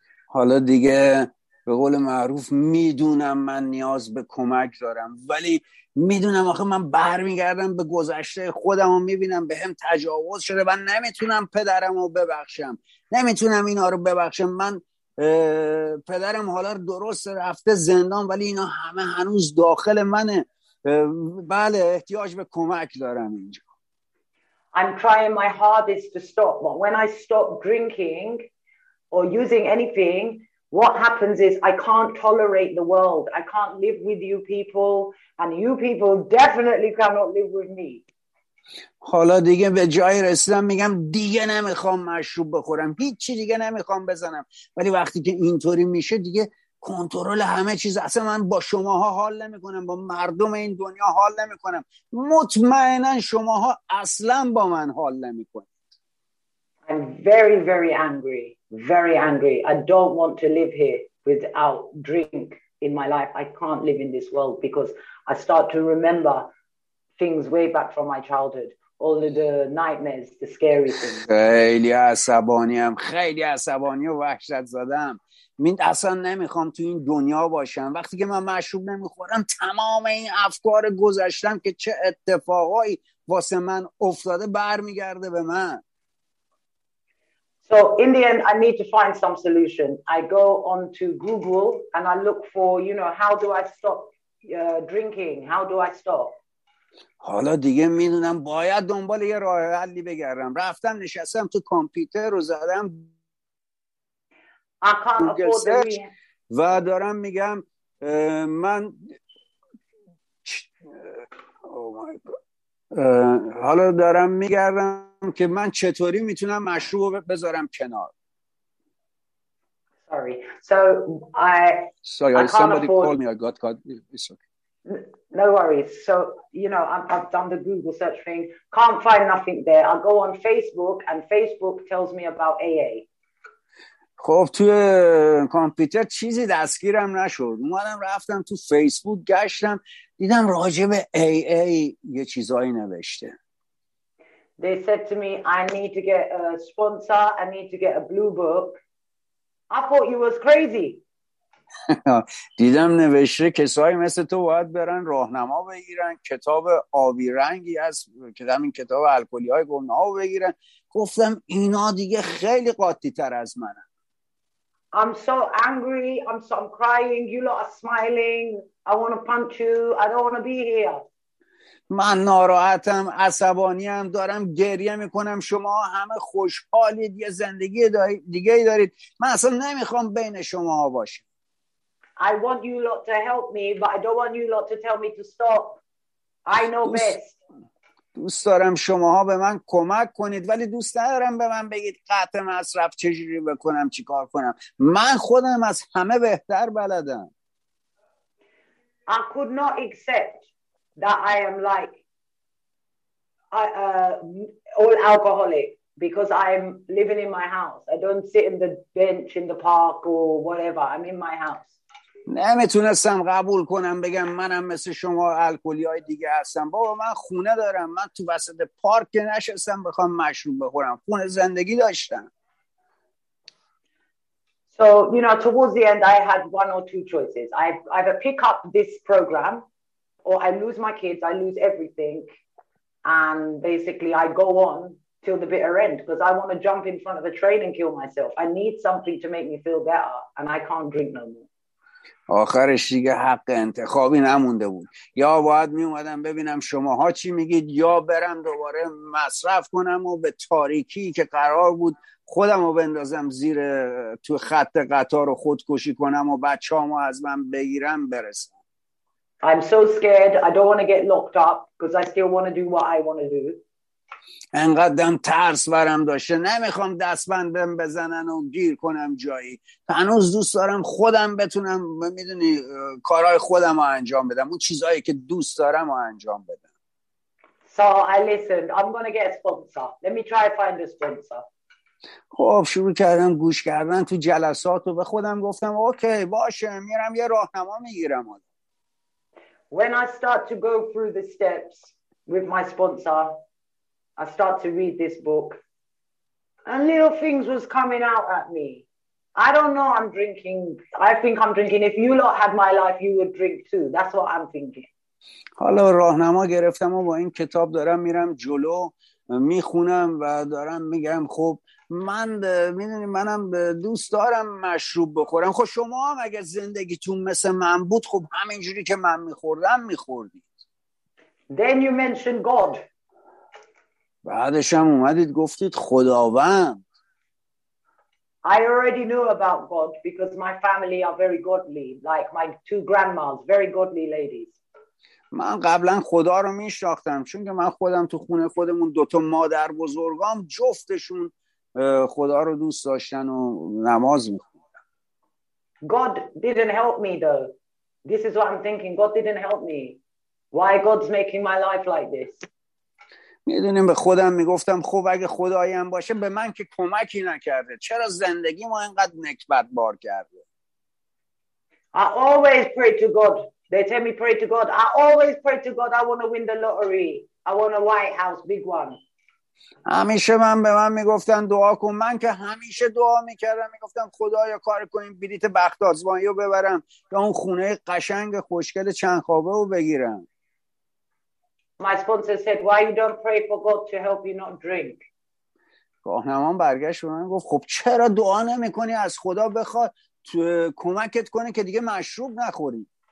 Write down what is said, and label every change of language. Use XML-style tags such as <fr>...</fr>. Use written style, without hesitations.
<fa>حالا دیگه به قول معروف میدونم من نیاز به کمک دارم ولی میدونم آخه من برمیگردم به گذشته خودم و میبینم به هم تجاوز شده و نمیتونم پدرم رو ببخشم نمیتونم اینا رو ببخشم. من پدرم حالا درست رفته زندان ولی اینا همه هنوز داخل منه. بله احتیاج به کمک دارم اینجا.</fa> <en>I'm trying my hardest to stop but when I stop drinking or using anything what happens is I can't tolerate the world. I can't live with you people and you people definitely cannot live with me.</en> <fa>حالا دیگه به جای رسیدم میگم دیگه نمیخوام مشروب بخورم هیچ چی دیگه نمیخوام بزنم ولی وقتی که اینطوری میشه دیگه کنترل همه چیز اصلا من با شماها حال نمیکنم با مردم این دنیا حال نمیکنم مطمئنا شماها اصلا با من حال نمیکنید.</fa> <en>I'm very very angry. Very angry. I don't want to live here without drink in my life. I can't live in this world because I start to remember things way back from my childhood. All the nightmares, the scary things.</en> <fa>خیلی عصبانیم. خیلی عصبانی و وحشت زدم. من اصلا نمیخوام تو این دنیا باشم. وقتی که من مشروب نمیخورم تمام این افکار گذشتم که چه اتفاقایی واسه من افتاده برمیگرده به من.</fa> <en>So in the end, I need to find some solution. I go on to Google and I look for, you know, how do I stop drinking? How do I stop?</en> <fa>حالا دیگه میدونم باید دنبال یه راه حلی بگردم. رفتم نشستم تو کامپیوتر رو زدم.</fa> <en>I can't afford the rehab.</en> <fa>و دارم میگم من...</fa> <en>Oh my God.</en> <fa>حالا دارم میگردم که من چطوری میتونم مشروب رو بذارم کنار.</fa> <en>Sorry. So I somebody called me. I got caught. It's okay. No worries. So, you know, I've done the Google search thing. Can't find nothing there. I'll go on Facebook and Facebook tells me about AA.</en> <fa>خب توی کامپیوتر چیزی دستگیرم نشد. اومدم رفتم تو فیسبوک گشتم دیدم راجع به AA یه چیزایی نوشته.</fa> <en>They said to me I need to get a sponsor, I need to get a blue book. I thought you was crazy.</en> <fa>دیدم نوشته کسایی مثل تو باید برن راهنما بگیرن، کتاب آبی رنگی از کتاب این کتاب الکلی‌های گناه بگیرن. گفتم اینا دیگه خیلی قاطی‌تر از منن.</fa> <en>I'm so angry. I'm crying. You lot are smiling. I want to punch you. I don't want to be here.</en> <fa>من ناراحتم، عصبانیم، دارم گریه میکنم. شما همه خوشحالید، یه زندگی دیگه دارید. من اصلا نمیخوام بین شما باشم.</fa> <en>I want you lot to help me, but I don't want you lot to tell me to stop. I know best.</en> <fa>دوست دارم شماها به من کمک کنید ولی دوست ندارم به من بگید قطع مصرف چجوری بکنم چیکار کنم. من خودم از همه بهتر بلدم.</fa> <en>I could not accept that I am like all alcoholic because I'm living in my house. I don't sit in the bench in the park or whatever. I'm in my house.</en> <fa>نمیتونستم قبول کنم بگم منم مثل شما الکلی‌های دیگه هستم. بابا من خونه دارم، من تو وسط پارک نشستم بخوام مشروب بخورم، خونه زندگی داشتم.</fa> <en>So you know, towards the end I had one or two choices. I either pick up this program or I lose my kids, I lose everything and basically I go on till the bitter end because I want to jump in front of a train and kill myself. I need something to make me feel better and I can't drink no more.</en> <fa>آخرش دیگه حق انتخابی نمونده بود، یا باید می اومدم ببینم شماها چی میگید یا برم دوباره مصرف کنم و به تاریکی که قرار بود خودم رو بندازم زیر تو خط قطار و خودکشی کنم و بچه‌هامو از من بگیرم برسم.</fa> <en>I'm so scared I don't want to get locked up because I still want to do what I want to do.</en> <fa>انقدرم ترس برم داشته، نمیخوام دستبندم بزنن و گیر کنم جایی، هنوز دوست دارم خودم بتونم میدونی کارهای خودم رو انجام بدم، اون چیزهایی که دوست دارم رو انجام بدم.</fa> <en>So I listened. I'm gonna get a sponsor. Let me try to find a sponsor.</en> <fa>خب شروع کردم گوش کردن تو جلسات و به خودم گفتم اوکی باشه، میرم یه راهنما میگیرم.</fa> <en>When I start to go through the steps with my sponsor, I start to read this book and little things was coming out at me. I don't know, I'm drinking. I think I'm drinking. If you lot had my life, you would drink too. That's what I'm thinking.</en> <fa>حالا راهنما گرفتم و با این کتاب دارم میرم جلو، میخونم و دارم میگم خب من میدونی منم دوست دارم مشروب بخورم. خب شما هم اگه زندگیتون مثل من بود خب همینجوری که من میخوردم میخوردید.</fa> <en>Then you mentioned God.</en> <fa>بعدش هم اومدید گفتید خداوند.</fa> <en>I already knew about God because my family are very godly, like my two grandmas, very godly ladies.</en> <fa>من قبلا خدا رو میشناختم چون که من خودم تو خونه خودمون دوتا مادر بزرگام جفتشون خدا رو دوست داشتن و نماز میخوندن.</fa> <en>God didn't help me though. This is what I'm thinking. God didn't help me. Why God's making my life like this?</en> <fa>میدونیم به خودم میگفتم خب اگه خداییم باشه به من که کمکی نکرده، چرا زندگی ما اینقدر نکبت بار کرده.</fa> <en>I always pray to God. They tell me pray to God. I always pray to God. I want to win the lottery. I want a White House, big one.</en> <fa>همیشه من به من میگفتن دعا کن، من که همیشه دعا میکردم میگفتم خدایا کار کنیم بلیت بخت آزمایی رو ببرم یا اون خونه قشنگ خوشگل چند خوابه رو بگیرم.</fa> <en>My sponsor said, why you don't pray for God to help you not drink?</en> <fa>راهنمام برگشت به من گفت خب چرا دعا نمی کنی از خدا بخواد تو کمکت کنه که دیگه مشروب نخوری.</fa>